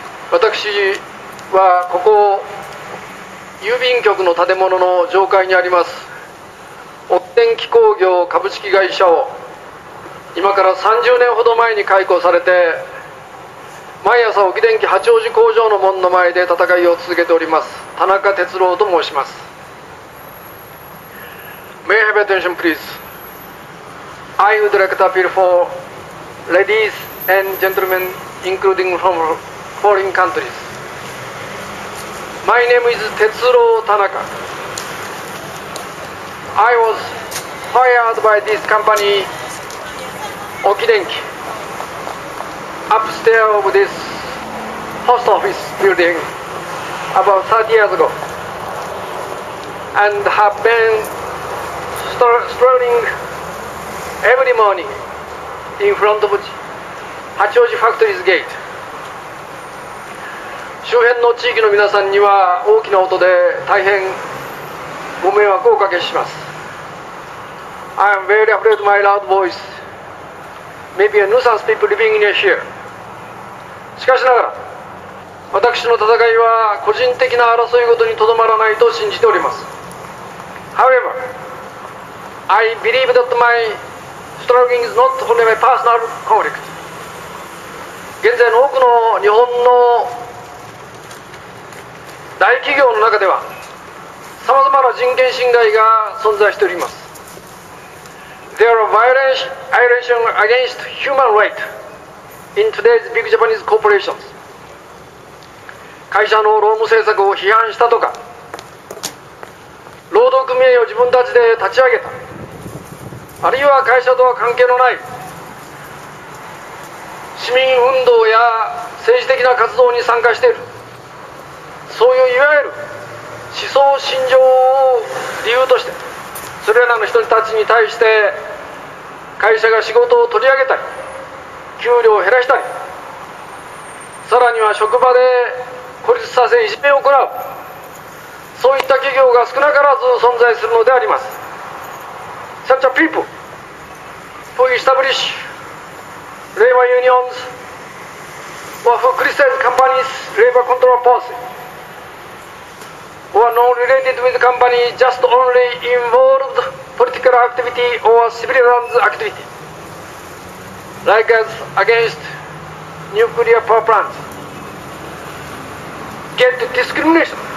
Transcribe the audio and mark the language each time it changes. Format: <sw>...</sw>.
<ja>私はここ郵便局の建物の上階にあります沖電機工業株式会社を今から30年ほど前に開校されて、毎朝沖電機八王子工場の門の前で戦いを続けております田中哲郎と申します。</ja> <en>May I have attention please? I would like to appeal for ladies and gentlemen including from foreign countries. My name is 哲郎田中。 I was hired by this company 沖電機upstairs of this post office building about 30 years ago and have been strolling every morning in front of 八王子 factory's gate.</en> <ja>周辺の地域の皆さんには大きな音で大変ご迷惑をおかけします。</ja> <en>I am very afraid my loud voice may be a nuisance people living near here.</en> <ja>しかしながら私の戦いは個人的な争い事にとどまらないと信じております。</ja> <en>However, I believe that my struggling is not only my personal conflict</en> <ja>現在の多くの日本の大企業の中では様々な人権侵害が存在しております。</ja> <en>There are violations against human rights in today's big Japanese corporations。</en> <ja>会社の労務政策を批判したとか、労働組合を自分たちで立ち上げた、あるいは会社とは関係のない市民運動や政治的な活動に参加している、そういういわゆる思想信条を理由としてそれらの人たちに対して会社が仕事を取り上げたり給料を減らしたり、さらには職場で孤立させいじめを行う、そういった企業が少なからず存在するのであります。</ja> <en>Such a people who establish labor unions or who criticize companies labor control policyOr not related with company, just only involved political activity or civilians activity, like as against nuclear power plants, get discrimination.</en>